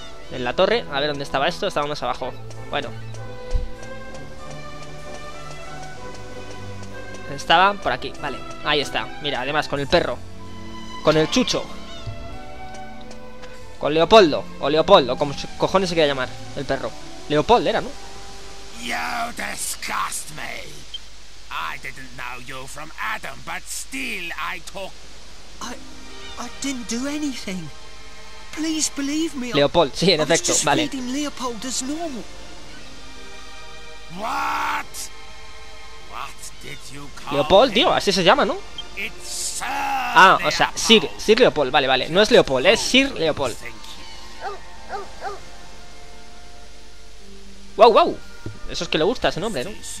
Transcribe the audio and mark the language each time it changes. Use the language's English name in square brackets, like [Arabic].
[Spanish] En la torre. A ver dónde estaba esto. Estaba más abajo. Bueno, estaba por aquí. Vale, ahí está. Mira, además con el perro, con el chucho, con Leopoldo, o Leopoldo, como cojones se quiera llamar, el perro. Leopoldo era, ¿no? [English] You disgust me. I didn't know you from Adam, but still I talk. I didn't do anything. Please believe me. [Spanish] Leopoldo, sí, en efecto, [English] just [Spanish] vale. [English] Treating Leopoldo as normal. What? What did you call? [Spanish] Leopoldo, tío, así se llama, ¿no? Ah, o sea, Sir Leopold, vale, vale. No es Leopold, es Sir Leopold. ¡Wow, wow! Eso es que le gusta ese nombre, ¿no?